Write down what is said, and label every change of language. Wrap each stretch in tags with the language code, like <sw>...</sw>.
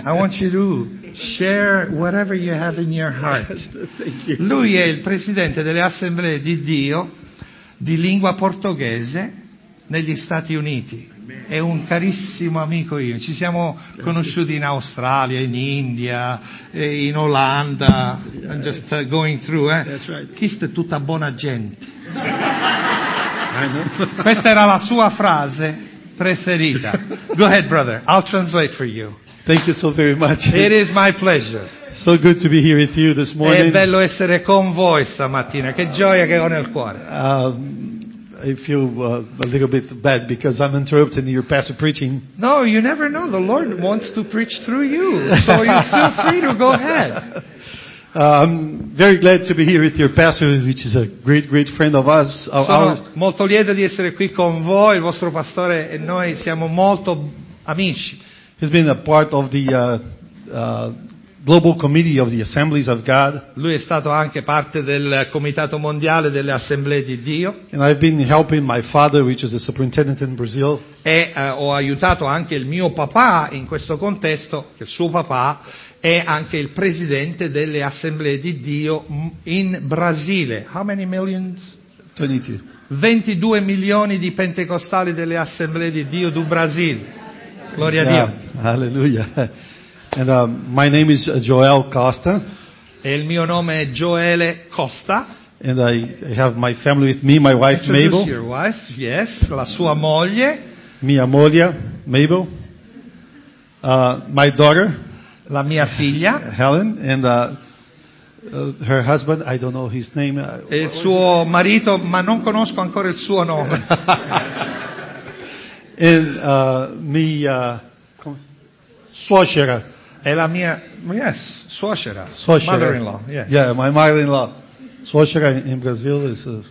<en>I want you to share whatever you have in your heart.</en> <it>Lui è il presidente delle Assemblee di Dio di lingua portoghese negli Stati Uniti. È un carissimo amico io. Ci siamo conosciuti in Australia, in India, in Olanda.</it> <en>I'm just going through, eh? That's right.</en> <it>Chist è tutta buona gente. Questa era la sua frase preferita.</it> <en>Go ahead, brother. I'll translate for you. Thank you so very much. It is my pleasure. So good to be here with you this morning.</en> <it>È bello essere con voi stamattina. Che gioia che ho nel cuore.</it> <en>I feel a little bit bad because I'm interrupting your pastor preaching. No, you never know. The Lord wants to preach through you. So you feel free to go ahead. I'm very glad to be here with your pastor, which is a great, great friend of us.</en> <it>Sono molto lieto di essere qui con voi, il vostro pastore e noi siamo molto amici.</it> <en>He's been a part of the global committee of the Assemblies of God.</en> <it>Lui è stato anche parte del Comitato Mondiale delle Assemblee di Dio.</it> <en>And I've been helping my father, which is a superintendent in Brazil.</en> <it>E ho aiutato anche il mio papà in questo contesto, che il suo papà è anche il presidente delle Assemblee di Dio in Brasile.</it> <en>How many millions? 22.</en> <it>22 milioni di pentecostali delle Assemblee di Dio du Brasil. Gloria a Dio.</it> <en>Alleluia. And my name is Joel Costa.</en> <it>E il mio nome è Joele Costa.</it> <en>And I have my family with me, my wife Mabel. Your wife, yes,</en> <it>la sua moglie. Mia moglie, Mabel.</it> <en>My daughter.</en> <it>La mia figlia.</it> <en>Helen, and her husband, I don't know his name.</en> <it>E il suo marito, ma non conosco ancora il suo nome.</it> <en>And</en> <it>mia suocera. E la mia, yes, suocera.</it> <en>Mother-in-law, yes. Yeah, my mother-in-law. Suocera in Brazil is...</en>